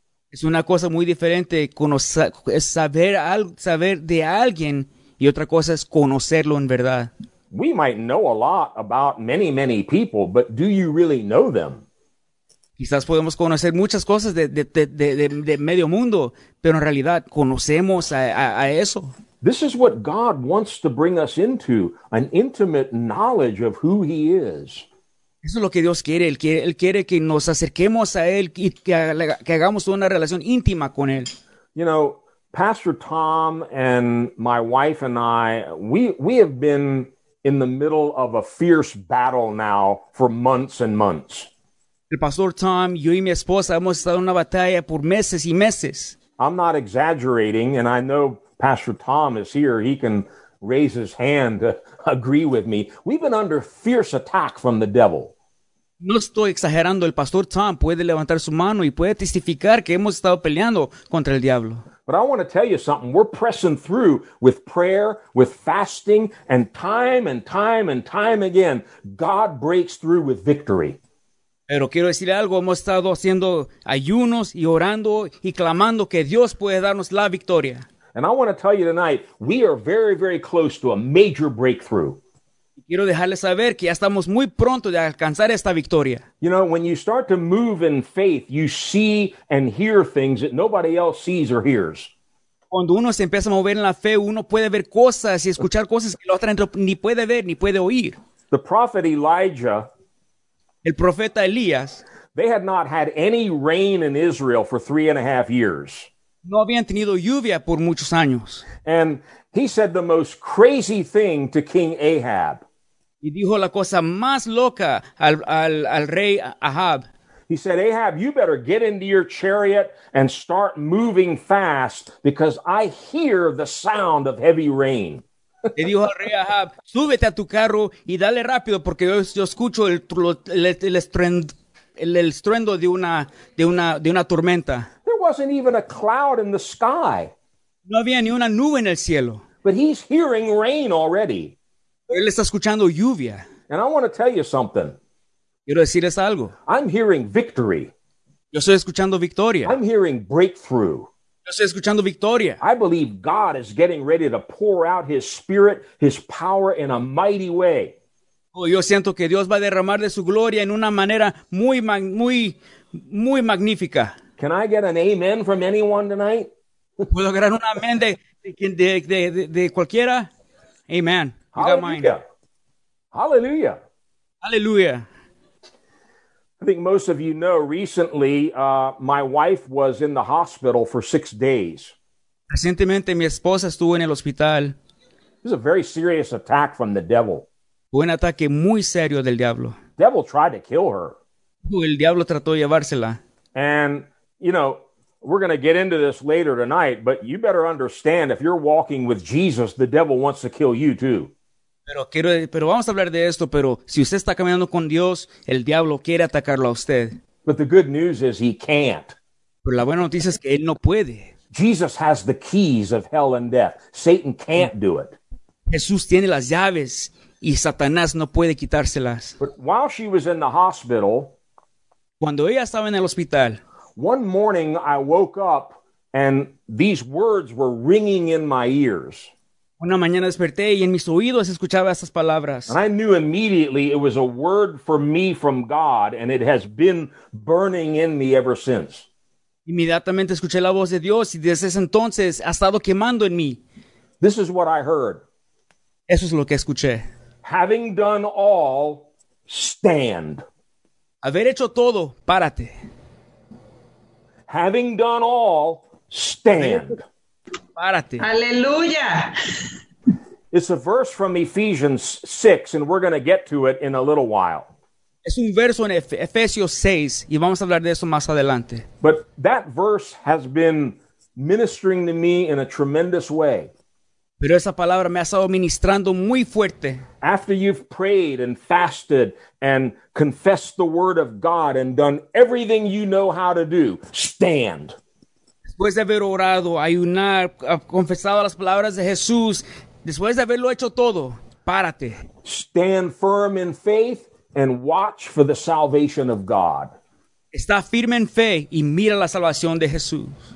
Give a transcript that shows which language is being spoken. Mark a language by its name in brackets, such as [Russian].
[Spanish] Es una cosa muy diferente saber de alguien y otra cosa es conocerlo en verdad. [English] We might know a lot about many, many people, but do you really know them? [Spanish] Quizás podemos conocer muchas cosas de medio mundo, pero en realidad conocemos a eso. [English] This is what God wants to bring us into, an intimate knowledge of who He is. [Spanish] Eso es lo que Dios quiere. Él quiere que nos acerquemos a Él y que hagamos una relación íntima con Él. [English] You know, Pastor Tom and my wife and I, we have been in the middle of a fierce battle now for months and months. [Spanish] El pastor Tom, yo y mi esposa hemos estado en una batalla por meses y meses. [English] I'm not exaggerating, and I know Pastor Tom is here. He can raise his hand to agree with me. We've been under fierce attack from the devil. [Spanish] No estoy exagerando. El pastor Tom puede levantar su mano y puede testificar que hemos estado peleando contra el diablo. [English] But I want to tell you something. We're pressing through with prayer, with fasting, and time and time and time again, God breaks through with victory. [Spanish] Pero quiero decir algo, hemos estado haciendo ayunos y orando y clamando que Dios puede darnos la victoria. [English] And I want to tell you tonight, we are very, very close to a major breakthrough. [Spanish] Quiero dejarles saber que ya estamos muy pronto de alcanzar esta victoria. [English] You know, when you start to move in faith, you see and hear things that nobody else sees or hears. [Spanish] Cuando uno se empieza a mover en la fe, uno puede ver cosas y escuchar cosas que la otra gente ni puede ver ni puede oír. [English] The prophet Elijah. [Spanish] El profeta Elías. [English] They had not had any rain in Israel for 3.5 years. [Spanish] No habían tenido lluvia por muchos años. [English] And he said the most crazy thing to King Ahab. [Spanish] Y dijo la cosa más loca al rey Ahab. [English] He said, Ahab, you better get into your chariot and start moving fast because I hear the sound of heavy rain. [Spanish] Le dijo al rey Ahab, súbete a tu carro y dale rápido porque yo escucho el estruendo de una tormenta. [English] There wasn't even a cloud in the sky. [Spanish] No había ni una nube en el cielo. [English] But he's hearing rain already. [Spanish] Él está escuchando lluvia. [English] And I want to tell you something. [Spanish] Quiero decirles algo. [English] I'm hearing victory. [Spanish] Yo estoy escuchando victoria. [English] I'm hearing breakthrough. [Spanish] Yo estoy escuchando victoria. [English] I believe God is getting ready to pour out his spirit, his power in a mighty way. [Spanish] Yo siento que Dios va a derramar de su gloria en una manera muy, muy, muy magnífica. [English] Can I get an amen from anyone tonight? [Spanish] ¿Puedo agarrar un amén de cualquiera? Amen. Hallelujah. Hallelujah. Hallelujah. [English] I think most of you know, recently, my wife was in the hospital for 6 days. [Spanish] Recientemente, mi esposa estuvo en el hospital. [English] It was a very serious attack from the devil. [Spanish] Un ataque muy serio del diablo. [English] The devil tried to kill her. [Spanish] El diablo trató de llevársela. [English] And, you know, we're going to get into this later tonight, but you better understand, if you're walking with Jesus, the devil wants to kill you too. [Spanish] Pero vamos a hablar de esto, pero si usted está caminando con Dios, el diablo quiere atacarlo a usted. [English] But the good news is he can't. [Spanish] Pero la buena noticia es que él no puede. [English] Jesus has the keys of hell and death. Satan can't do it. [Spanish] Jesús tiene las llaves y Satanás no puede quitárselas. [English] But while she was in the hospital, [Spanish] cuando ella estaba en el hospital, [English] one morning I woke up and these words were ringing in my ears. [Spanish] Una mañana desperté y en mis oídos escuchaba estas palabras. [English] And I knew immediately it was a word for me from God, and it has been burning in me ever since. [Spanish] Inmediatamente escuché la voz de Dios y desde ese entonces ha estado quemando en mí. [English] This is what I heard. [Spanish] Eso es lo que escuché. [English] Having done all, stand. [Spanish] Haber hecho todo, párate. [English] Having done all, stand. [Spanish] Párate. Hallelujah. [English] It's a verse from Ephesians 6, and we're going to get to it in a little while. [Spanish] Es un verso en Efesios 6, y vamos a hablar de eso más adelante. [English] But that verse has been ministering to me in a tremendous way. [Spanish] Pero esa palabra me ha estado ministrando muy fuerte. [English] After you've prayed and fasted and confessed the word of God and done everything you know how to do, stand. [Spanish] Después de haber orado, ayunar, confesado las palabras de Jesús, después de haberlo hecho todo, párate. [English] Stand firm in faith and watch for the salvation of God. [Spanish] Está firme en fe y mira la salvación de Jesús.